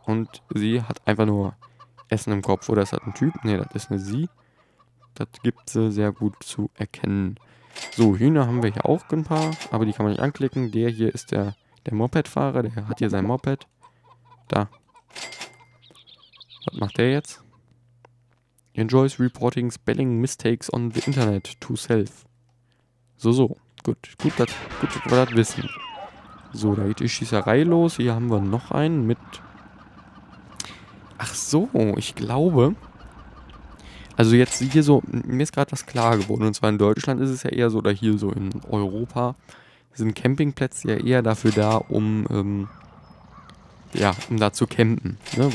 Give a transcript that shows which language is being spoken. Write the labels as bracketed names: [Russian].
[German] Und sie hat einfach nur Essen im Kopf. Oder ist das ein Typ? Ne, das ist eine sie. Das gibt sie sehr gut zu erkennen. So, Hühner haben wir hier auch ein paar, aber die kann man nicht anklicken. Der hier ist der Moped-Fahrer, der hat hier sein Moped. Da. Was macht der jetzt? [English] Enjoys reporting spelling mistakes on the internet to self. [German] So. Gut, dass wir das wissen. So, da geht die Schießerei los. Hier haben wir noch einen mit... Ach so, ich glaube... Also jetzt hier so, mir ist gerade was klar geworden, und zwar in Deutschland ist es ja eher so, oder hier so in Europa, sind Campingplätze ja eher dafür da, um um da zu campen, ne?